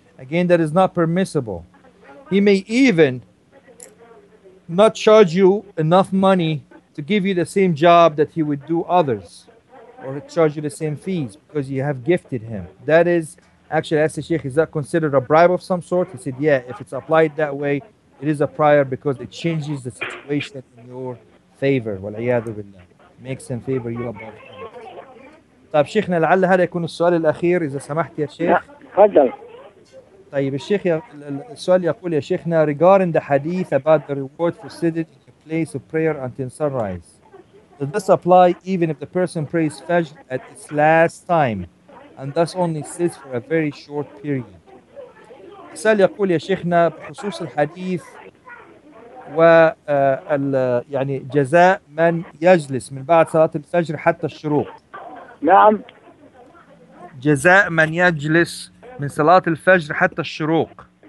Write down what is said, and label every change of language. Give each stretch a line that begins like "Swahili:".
English: Again, that is not permissible. He may even not charge you enough money to give you the same job that he would do others, or charge you the same fees because you have gifted him. That is, actually, I asked the Sheikh, is that considered a bribe of some sort? He said, yeah, if it's applied that way, it is a prior because it changes the situation in your favor. Wal'iyadu billah. Makes him favor you above him.
Arabic: طيب شيخنا لعل هذا يكون السؤال الأخير إذا سمحت يا شيخ. تفضل. طيب الشيخ السؤال يقول يا شيخنا,
English: regarding the hadith about the reward for sitting in the place of prayer until sunrise, does this apply even if the person prays Fajr at its last time and thus only sits for a very short period?
Arabic: سأل يقول يا شيخنا بخصوص الحديث و يعني جزاء من يجلس من بعد صلاة الفجر حتى الشروق. نعم, جزاء من يجلس من صلاة الفجر حتى الشروق.